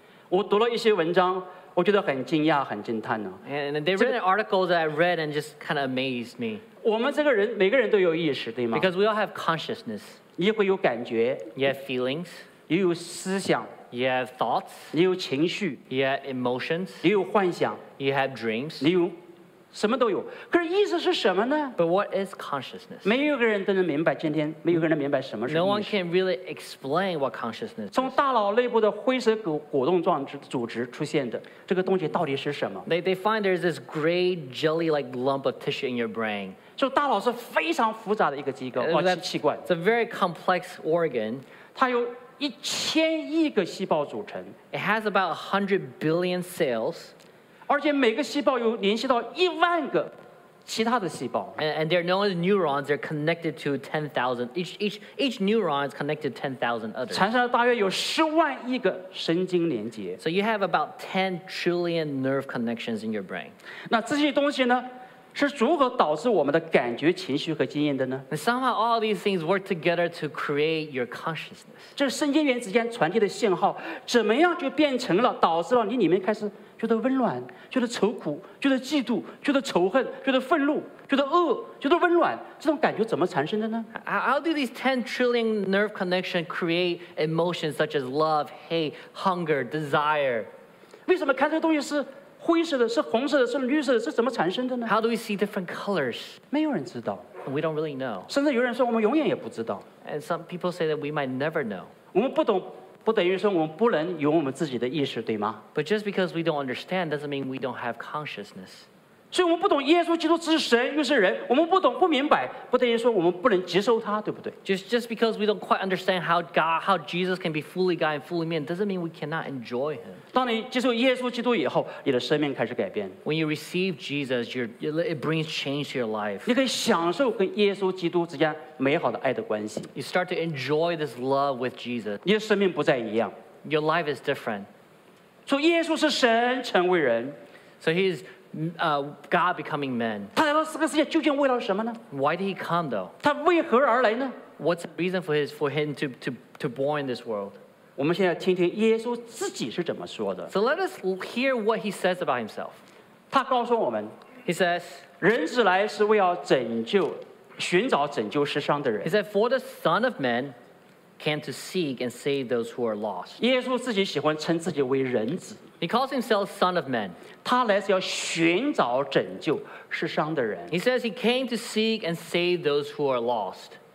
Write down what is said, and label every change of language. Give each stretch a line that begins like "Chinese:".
Chinese: 我读了一些文章，我觉得很惊讶，很惊叹呢。
English: And they read an article that I read and just kind of amazed me.
Chinese: 我们这个人，每个人都有意识，对吗？
English: Because we all have consciousness.
Chinese: 你会有感觉。
English: You have feelings.
Chinese: 也有思想。
English: You have thoughts.
Chinese: 你有情绪。
English: You have emotions.
Chinese: 你有幻想。
English: You have dreams.
Chinese: 你有什么都有。可是意识是什么呢？
English: But what is consciousness?
Chinese: 没有个人都能明白今天，没有个人能明白什么是意识。
English: No one can really explain what consciousness is.
Chinese: 从大脑内部的灰色果冻状组织出现的这个东西到底是什么？
English: They find there's this gray jelly-like lump of tissue in your brain.
Chinese: 所以大脑是非常复杂的一个机构，哦，器官。
English: It's a very complex organ.
Chinese: 它有一千亿个细胞组成。
English: It has about 100 billion cells.
Chinese: 而且每个细胞有联系到一万个其他的细胞。
English: And they're known as neurons. They're connected to 10,000. Each neuron is connected to 10,000 others.
Chinese: 产生了大约有十万亿个神经连接。
English: So you have about 10 trillion nerve connections in your brain.
Chinese: 那这些东西呢？是如何导致我们的感觉、情绪和经验的呢？
English: And somehow all these things work together to create your consciousness.
Chinese: 这神经元之间传递的信号，怎么样就变成了导致了你里面开始觉得温暖、觉得愁苦、觉得嫉妒、觉得仇恨、觉得愤怒、觉得恶、觉得温暖，这种感觉怎么产生的呢？
English: How do these 10 trillion nerve connections create emotions such as love, hate, hunger, desire?
Chinese: 为什么看这个东西是？灰色的是红色的是绿色的是怎么产生的呢？
English: How do we see different colors?
Chinese: 没有人知道。
English: We don't really know.
Chinese: 甚至有人说我们永远也不知道。
English: And some people say that we might never know.
Chinese: 我们不懂，不等于说我们不能有我们自己的意识，对吗？
English: But just because we don't understand doesn't mean we don't have consciousness.
Chinese: 所以我们不懂耶稣基督是神又是人，我们不懂不明白，不等于说我们不能接受他，对不对？
English: Just because we don't quite understand how Jesus can be fully God and fully man doesn't mean we cannot enjoy him.
Chinese: 当你接受耶稣基督以后，你的生命开始改变。
English: When you receive Jesus, it brings change to your life.
Chinese: 你可以享受跟耶稣基督之间美好的爱的关系。
English: You start to enjoy this love with Jesus.
Chinese: 你的生命不再一样。
English: Your life is different.
Chinese: 所以耶稣是神成为人。
English: So he is God becoming man.
Chinese: 他来到这个世界究竟为了什么呢？
English: Why did he come though?
Chinese: 他为何而来呢？
English: What's the reason for him to born in this world?
Chinese: 我们现在听听耶稣自己是怎么说的。
English: So let us hear what he says about himself.
Chinese: 他告诉我们。
English: He says,
Chinese: 人子来是为要拯救，寻找拯救失丧的人。
English: He said, for the Son of Man came to seek and save those who are lost.
Chinese: 耶稣自己喜欢称自己为人子。
English: He calls himself Son of Man.
Chinese: 他来是要寻找拯救失丧的人。
English: He says he came to seek and save those who are lost.